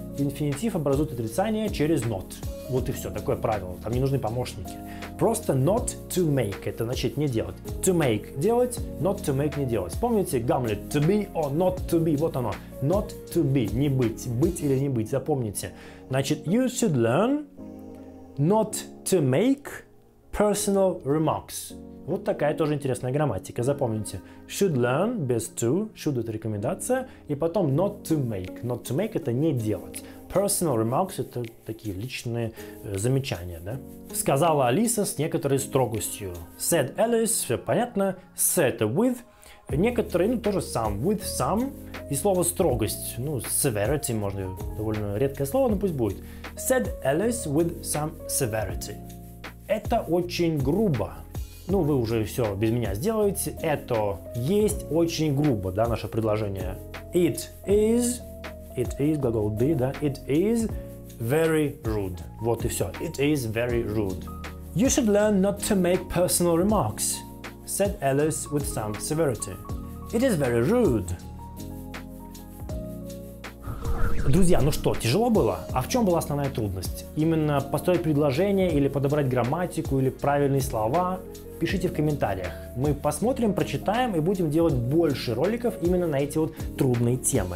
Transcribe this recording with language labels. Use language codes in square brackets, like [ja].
[ru] Инфинитив образует отрицание через not. Вот и все, такое правило. Там не нужны помощники. Просто not to make – это значит не делать. [en] To make [ru] – делать, [en] not to make [ru] – не делать. Помните Гамлет? [en] To be or not to be – [ru] вот оно. [en] Not to be – [ru] не быть. Быть или не быть – запомните. [en] Значит, you should learn not to make personal remarks. [ru] Вот такая тоже интересная грамматика, запомните. [en] Should learn без to, should – [ru] это рекомендация, и потом [en] not to make. Not to make [ru] – это не делать. [en] Personal remarks [ru] – это такие личные замечания, да? Сказала Алиса с некоторой строгостью. [en] Said Alice [ru] – все понятно. [en] Said with [ru] – некоторые, ну, тоже some. [en] With some [ru] – и слово строгость, ну, severity, можно, довольно редкое слово, но пусть будет. [en] Said Alice with some severity. [ru] Это очень грубо. Ну, вы уже все без меня сделаете. Это есть очень грубо, да, наше предложение. [en] It is, глагол be, да, it is very rude. [ru] Вот и все. [en] It is very rude. You should learn not to make personal remarks, said Alice with some severity. It is very rude. [ru] Друзья, ну что, тяжело было? А в чем была основная трудность? Именно построить предложение или подобрать грамматику или правильные слова? Пишите в комментариях. Мы посмотрим, прочитаем и будем делать больше роликов именно на эти вот трудные темы.